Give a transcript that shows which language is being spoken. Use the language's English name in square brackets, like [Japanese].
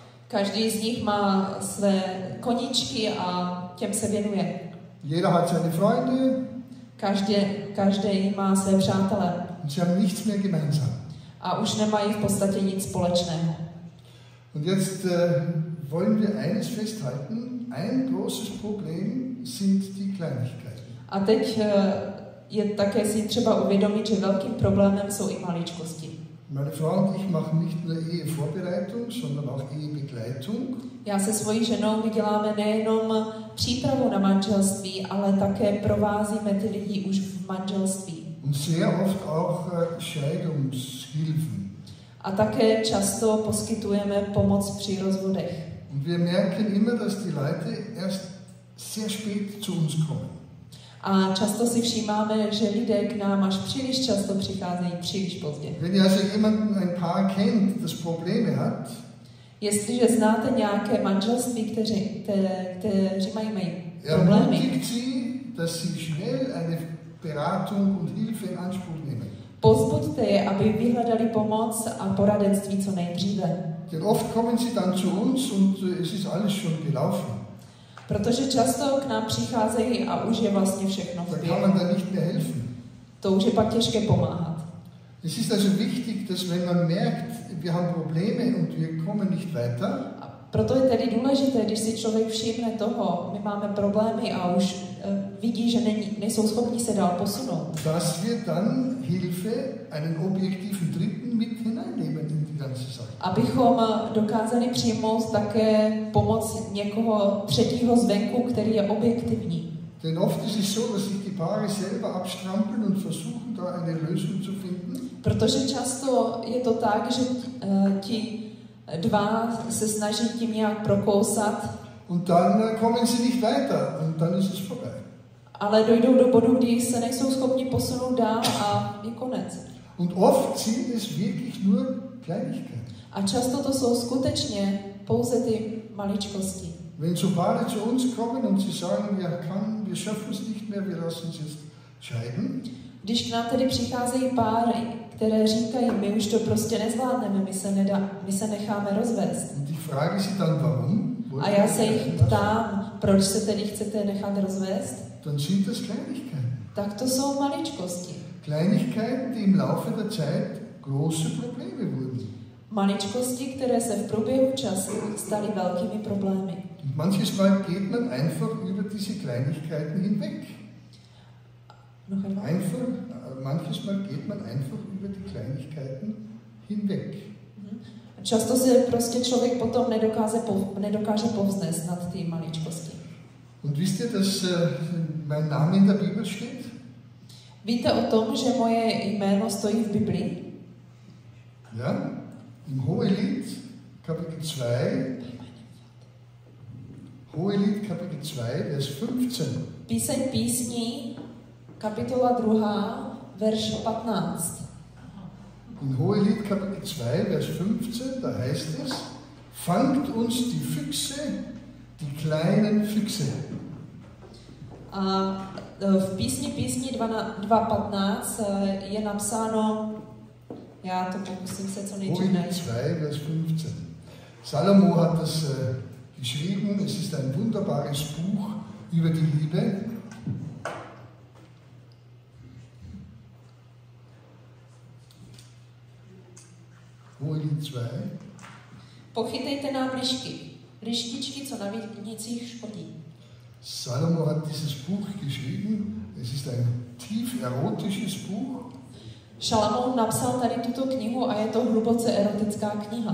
[Czech] Každý z nich má své koníčky a těm se věnuje. [German] Jeder hat seine Freunde. [Czech] Každý má své přátelé. [German] Sie haben nichts mehr gemeinsam. [Czech] A už nemají v podstatě nic společného. [German] Und jetzt wollen wir eines festhalten, ein großes Problem sind die Kleinigkeiten. [Czech] A teď je také si třeba uvědomit, že velkým problémem jsou i maličkosti. [German] Meine Frau und ich machen nicht nur Ehevorbereitung, sondern auch Ehebegleitung. [Czech] Já se svojí ženou děláme nejenom přípravu na manželství, ale také provázíme ty lidi už v manželství. [German] Und sehr oft auch Scheidungshilfen. [Czech] A také často poskytujeme pomoc při rozvodech. [German] Und wir merken immer, dass die Leute erst sehr spät zu uns kommen. [Czech] A často si všímáme, že lidé k nám až příliš často přicházejí příliš pozdě. [German] Wenn ihr also jemanden ein paar kennt, das Probleme hat. [Czech] Jestliže znáte nějaké manželství, kteří mají problémy. [German] Ermutigt sie, dass sie schnell eine Beratung und Hilfe in Anspruch nehmen. [Czech] Pozbuďte je, aby vyhledali pomoc a poradenství co nejdříve. [German] Denn oft kommen sie dann zu uns und es ist alles schon gelaufen. [Czech] Protože často k nám přicházejí a už je vlastně všechno v běhu. To už je pak těžké pomáhat. [German] Es ist also wichtig, dass wenn man merkt, wir haben Probleme und wir kommen nicht weiter. [Czech] A proto je tedy důležité, když si člověk všimne toho, my máme problémy a už vidí, že nejsou schopni se dál posunout. [German] Dass wir dann Hilfe, einen objektiven Dritten mit hineinnehmen in die ganze Sache. [Czech] Abychom dokázali přijmout také pomoc někoho třetího zvenku, který je objektivní. [German] Denn oft ist es so, dass sich die Paare selber abstrampeln und versuchen, da eine Lösung zu finden. [Czech] Protože často je to tak, že ti dva se snaží tím nějak prokousat. [German] Und dann kommen sie nicht weiter und dann ist es vorbei. [Czech] Ale dojdou do bodu, kdy se nejsou schopni posunout dál a je konec. [German] Und oft sind es wirklich nur Kleinigkeiten. [Czech] A často to jsou skutečně pouze ty maličkosti. [German] Wenn so Paare zu uns kommen und sie sagen, wir schaffen es nicht mehr, wir lassen uns jetzt scheiden. [Czech] Když k nám tedy přicházejí páry, které říkají, my už to prostě nezvládneme, my se necháme rozvést. [German] Und ich frage sie dann, warum? [Czech] A já se jich ptám, proč se tedy chcete nechat rozvést? [German] Dann sind das Kleinigkeiten. [Czech] Tak to jsou maličkosti. [German] Kleinigkeiten, die im Laufe der Zeit große Probleme wurden. [Czech] Maličkosti, které se v průběhu času staly velkými problémy. [German] Und manches Mal geht man einfach über diese Kleinigkeiten hinweg. Noch einmal. Manches Mal geht man einfach über die Kleinigkeiten hinweg. [Czech] Často se prostě člověk potom nedokáže povznést nad ty maličkosti. [German] Und wisst ihr, dass mein Name in der Bibel steht? [Czech] Víte o tom, že moje jméno stojí v Biblii? [German] Ja, im Hohelied Kapitel 2. Hohelied Kapitel 2, Vers 15. [Czech] Píseň písní, kapitola 2, verš 15. [German] In Hohelied Kapitel 2, Vers 15, da heißt es: Fangt uns die Füchse, die kleinen Füchse. [Czech] A v písni 2.15 je napsáno, já to pokusím se co nejdřív najít. [German] Hohelied 2, Vers 15. Salomo hat das geschrieben, es ist ein wunderbares Buch über die Liebe. Hohelied 2. [Czech] Pochytejte nám lišky, lištičky, co na vinicích škodí. [German] Salomo hat dieses Buch geschrieben. Es ist ein tief erotisches Buch. [Czech] Salomo napsal tady tuto knihu a je to hluboce erotická kniha.